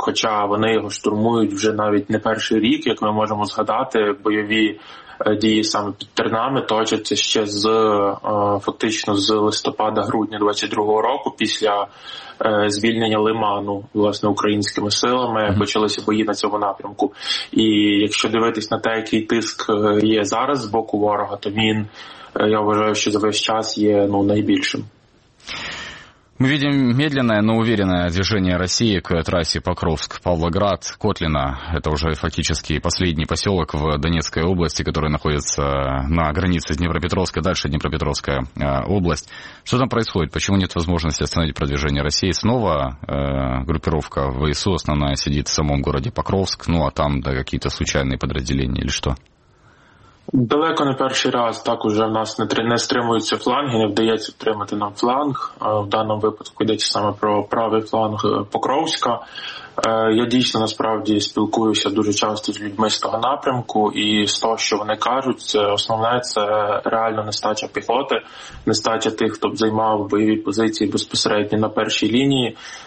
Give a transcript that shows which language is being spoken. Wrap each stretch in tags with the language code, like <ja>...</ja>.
<uk>Хоча вони його штурмують вже навіть не перший рік, як ми можемо згадати, бойові дії саме під Тернами точаться ще з фактично з листопада-грудня 22-го року, після звільнення Лиману, власне, українськими силами, почалися бої на цьому напрямку. І якщо дивитись на те, який тиск є зараз з боку ворога, то він, я вважаю, що за весь час є ну найбільшим.</uk> <ru>Мы видим медленное, но уверенное движение России к трассе Покровск-Павлоград. Котлина – это уже фактически последний поселок в Донецкой области, который находится на границе с Днепропетровской, дальше Днепропетровская область. Что там происходит? Почему нет возможности остановить продвижение России? Снова группировка ВСУ основная сидит в самом городе Покровск, ну а там да, какие-то случайные подразделения или что?</ru> <uk>Далеко не перший раз, так уже в нас не стримуються фланги, не вдається втримати нам фланг. В даному випадку йдеться саме про правий фланг Покровська. Я дійсно насправді спілкуюся дуже часто з людьми з того напрямку, і з того, що вони кажуть, основне – це реально нестача піхоти, нестача тих, хто б займав бойові позиції безпосередньо на першій лінії.</uk>